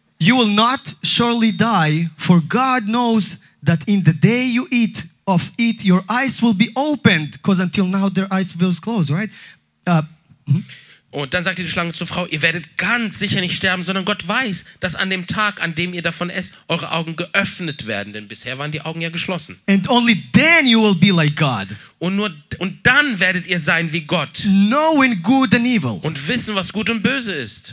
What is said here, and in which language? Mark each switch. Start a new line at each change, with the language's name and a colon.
English: You will not surely die, for God knows that in the day you eat of it, your eyes will be opened, because until now their eyes were closed, right?
German: Und dann sagte die Schlange zur Frau, ihr werdet ganz sicher nicht sterben, sondern Gott weiß, dass an dem Tag, an dem ihr davon esst, eure Augen geöffnet werden, denn bisher waren die Augen ja geschlossen.
English: And only then you will be like God.
German: Und dann werdet ihr sein wie Gott.
English: Knowing good and evil.
German: Und wissen, was gut und böse ist.